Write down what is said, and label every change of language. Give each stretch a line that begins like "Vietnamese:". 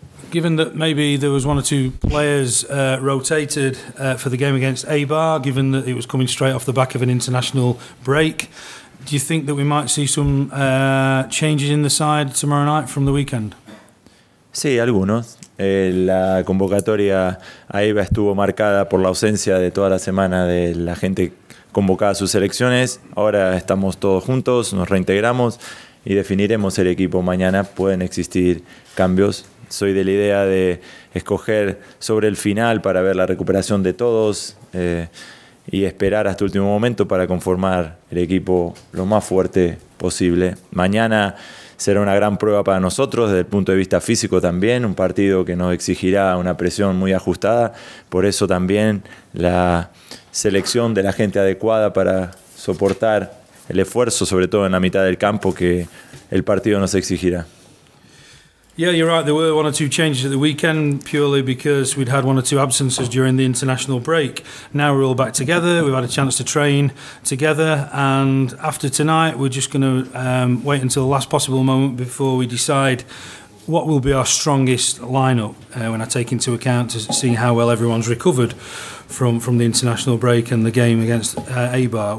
English: Given that maybe there was one or two players rotated for the game against Eibar, given that it was coming straight off the back of an international break, do you think that we might see some changes in the side tomorrow night from the weekend?
Spanish: Sí, algunos. La convocatoria a Eibar estuvo marcada por la ausencia de toda la semana de la gente convocada a sus selecciones. Ahora estamos todos juntos, nos reintegramos y definiremos el equipo mañana. Pueden existir cambios. Soy de la idea de escoger sobre el final para ver la recuperación de todos y esperar hasta el último momento para conformar el equipo lo más fuerte posible. Mañana será una gran prueba para nosotros desde el punto de vista físico también, un partido que nos exigirá una presión muy ajustada, por eso también la selección de la gente adecuada para soportar el esfuerzo, sobre todo en la mitad del campo, que el partido nos exigirá.
English: Yeah, you're right. There were one or two changes at the weekend, purely because we'd had one or two absences during the international break. Now we're all back together. We've had a chance to train together. And after tonight, we're just going to wait until the last possible moment before we decide what will be our strongest lineup, when I take into account to see how well everyone's recovered from the international break and the game against Eibar.